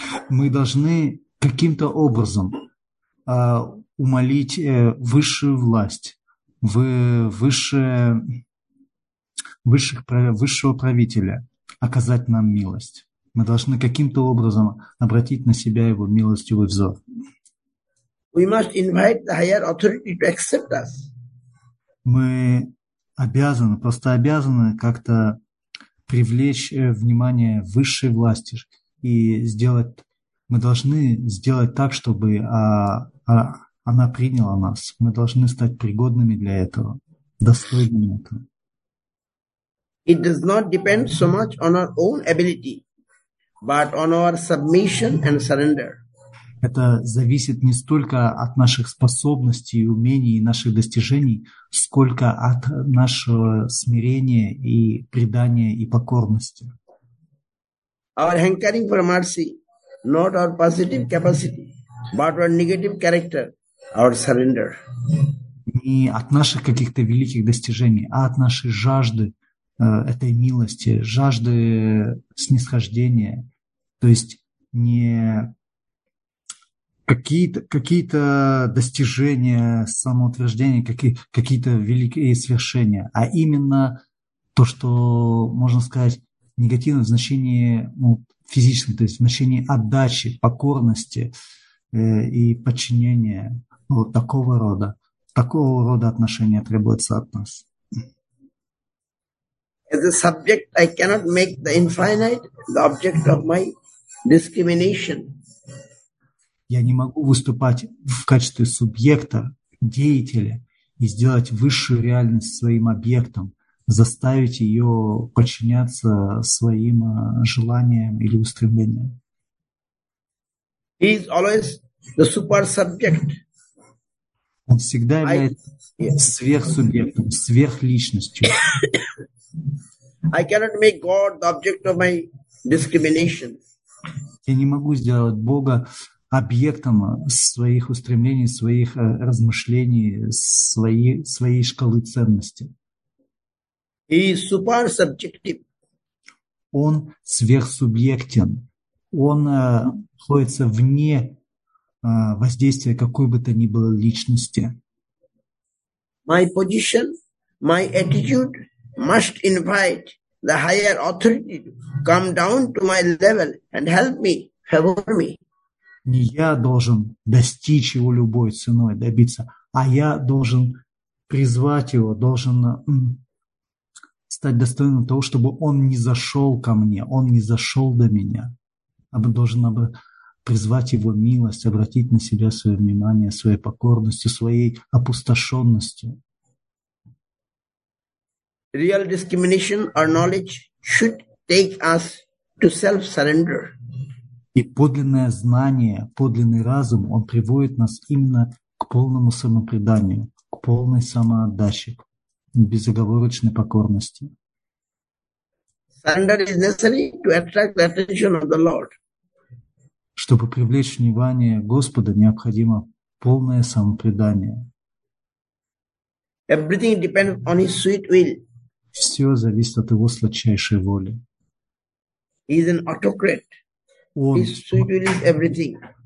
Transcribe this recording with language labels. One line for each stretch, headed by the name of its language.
Russian: Мы должны каким-то образом умолить высшую власть, высшего правителя оказать нам милость. Мы должны каким-то образом обратить на себя его милостивый взор.
English: We must invite the higher authority to accept us.
Russian: Мы обязаны, просто обязаны как-то привлечь внимание высшей власти и сделать, мы должны сделать так, чтобы она приняла нас. Мы должны стать пригодными для этого, достойными этого.
English: It does not depend so much on our own ability, but on our submission and surrender.
Russian: Это зависит не столько от наших способностей, умений и наших достижений, сколько от нашего смирения и предания и покорности.
English: Our hankering for mercy, not our positive capacity, but our negative character, our surrender.
Russian: Не от наших каких-то великих достижений, а от нашей жажды этой милости, жажды снисхождения. То есть не какие-то достижения, самоутверждения, какие-то великие свершения, а именно то, что, можно сказать, негативное в значении физическом, то есть в значении отдачи, покорности и подчинения, вот такого рода отношения требуются от нас.
English: As a subject, I cannot make the infinite the object of my discrimination.
Russian: Я не могу выступать в качестве субъекта, деятеля и сделать высшую реальность своим объектом, заставить ее подчиняться своим желаниям или устремлениям.
English: He is always the super subject.
Russian: Он всегда является сверхсубъектом, сверхличностью.
English: I cannot make God the object of my discrimination.
Russian: Я не могу сделать Бога объектом своих устремлений, своих размышлений, своей шкалы ценностей.
English: He is super subjective.
Russian: Он сверхсубъектен. Он находится вне воздействия какой бы то ни было личности.
English: My position, my attitude must invite the higher authority to come down to my level and help me, favor me.
Russian: Не я должен достичь его любой ценой, добиться, а я должен призвать его, должен стать достойным того, чтобы он не зашел ко мне, он не зашел до меня. Я должен призвать его милость, обратить на себя свое внимание, своей покорностью, своей опустошенностью.
English: Real discrimination or knowledge should take us to self-surrender.
Russian: И подлинное знание, подлинный разум, он приводит нас именно к полному самопреданию, к полной самоотдаче, к безоговорочной покорности.
English: Surrender is necessary to attract the attention of the Lord.
Russian: Чтобы привлечь внимание Господа, необходимо полное самопредание.
English: Everything depends on His sweet will.
Russian: Все зависит от Его сладчайшей воли.
English: He is an autocrat. His sweet will is everything.